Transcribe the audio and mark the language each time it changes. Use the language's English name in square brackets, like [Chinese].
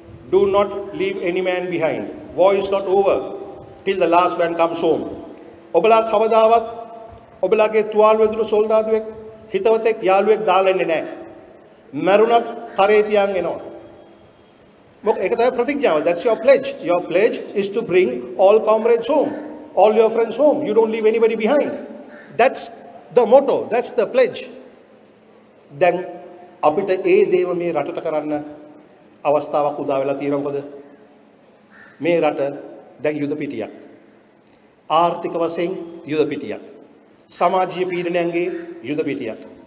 [English] Do not leave any man behind. War is not over till the last man comes home. [Sinhala] ඔබලා කවදාවත් ඔබලාගේ තුවාල වැදුණු සොල්දාදුවෙක්, හිතවතෙක්, යාළුවෙක් දාලන්නේ නැහැ. මැරුණත් කරේ තියන් එනවා. මොකද ඒක තමයි ප්‍රතිඥාව. [English] That's your pledge. Your pledge is to bring all comrades home, all your friends home. You don't leave anybody behind. That's the motto, that's the pledge. [Sinhala] දැන් අපිට ඒ දේම මේ රටට කරන්න අවස්ථාවක් උදා වෙලා තියෙනවා. මොකද මේ රට දැන් යුද පිටියක්. ආර්ථික වශයෙන් යුද පිටියක්. සමාජීය පීඩනයන්ගේ යුද පිටියක්.